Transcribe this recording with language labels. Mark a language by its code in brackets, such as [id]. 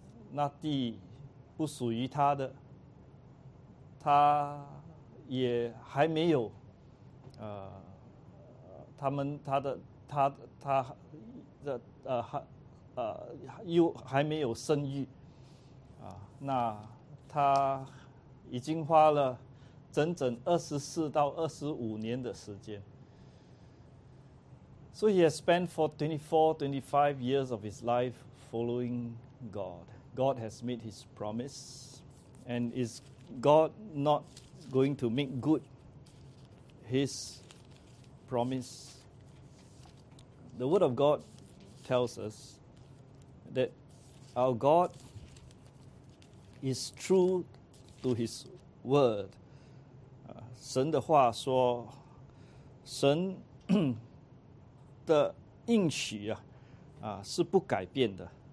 [zh] 那地不属于他的，他也还没有他又还没有生育那他已经花了整整24到25年的时间。 [en] So he has spent for 24, 25 years of his life following God. God has made his promise. And is God not going to make good his promise? The word of God tells us that our God is true to His word. [zh] 神的话说，神的应许是不改变的。